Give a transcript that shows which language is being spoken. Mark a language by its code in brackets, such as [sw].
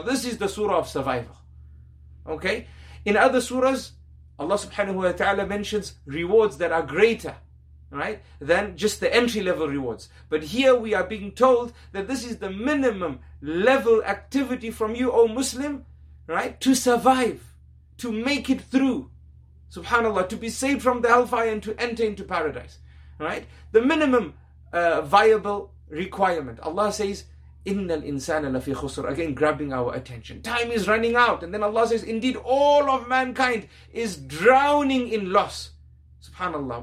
[en] This is the surah of survival. Okay? In other surahs, Allah subhanahu wa ta'ala mentions rewards that are greater, right, than just the entry level rewards. But here we are being told that this is the minimum level activity from you, O Muslim, right, to survive, to make it through, subhanAllah, to be saved from the hellfire and to enter into paradise, right? The minimum viable requirement. Allah says, [ar] إِنَّ الْإِنسَانَ لَفِي خُسْرٍ. [en] Again, grabbing our attention. Time is running out. And then Allah says, indeed, all of mankind is drowning in loss. SubhanAllah.